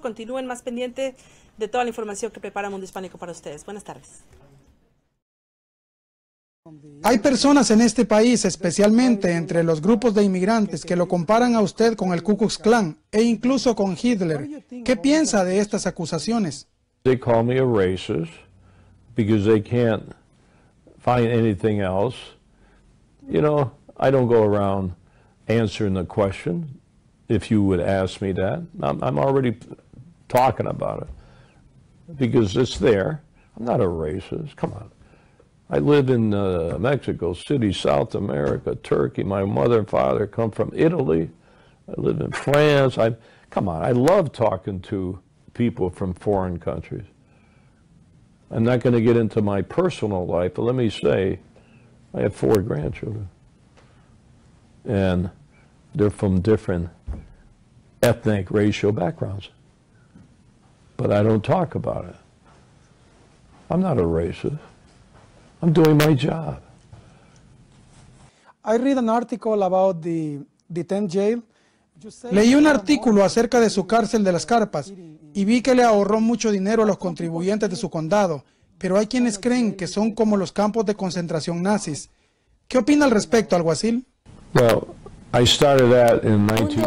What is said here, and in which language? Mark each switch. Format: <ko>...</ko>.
<es>Continúen más pendiente de toda la información que prepara Mundo Hispánico para ustedes. Buenas tardes. Hay personas en este país, especialmente entre los grupos de inmigrantes, que lo comparan a usted con el Ku Klux Klan e incluso con Hitler. ¿Qué piensa de estas acusaciones?</es> <en>They call me a racist because they can't find anything else. You know, I don't go around answering the question, if you would ask me that. I'm already talking about it because it's there. I'm not a racist. Come on. I live in Mexico City, South America, Turkey. My mother and father come from Italy. I live in France. I love talking to people from foreign countries. I'm not going to get into my personal life, but let me say, I have 4 grandchildren. And they're from different ethnic racial backgrounds. But I don't talk about it. I'm not a racist. I'm doing my job. I read an article about the 10th jail.</en> <es>Leí un artículo acerca de su cárcel de las carpas y vi que le ahorró mucho dinero a los contribuyentes de su condado, pero hay quienes creen que son como los campos de concentración nazis. ¿Qué opina al respecto, alguacil?</es> <en>Well, I started that in 1990.</en>